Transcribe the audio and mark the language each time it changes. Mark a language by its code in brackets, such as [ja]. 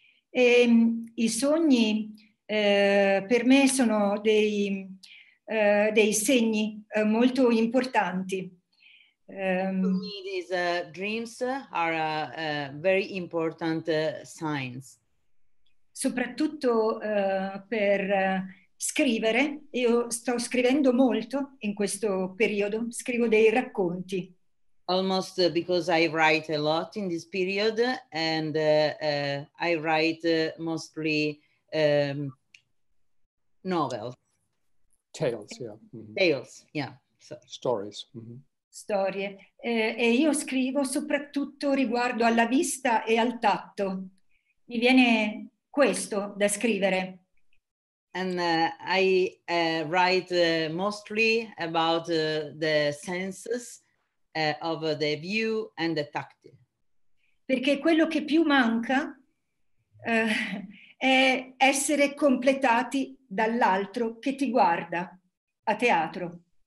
[it] E i sogni per me sono dei segni molto importanti. [en] For me these dreams are very important signs. [it] Soprattutto per scrivere, io sto scrivendo molto in questo periodo, scrivo dei racconti. [en] Almost because I write a lot in this period and I write mostly novels. Tales, yeah. Mm-hmm. Tales, yeah. So. Stories. Mm-hmm. [it] Storie. E io scrivo soprattutto riguardo alla vista e al tatto. Mi viene questo da scrivere. [en] And I write mostly about the senses of the view and the tactile. [it] Perché quello che più manca è essere completati dall'altro che ti guarda a teatro.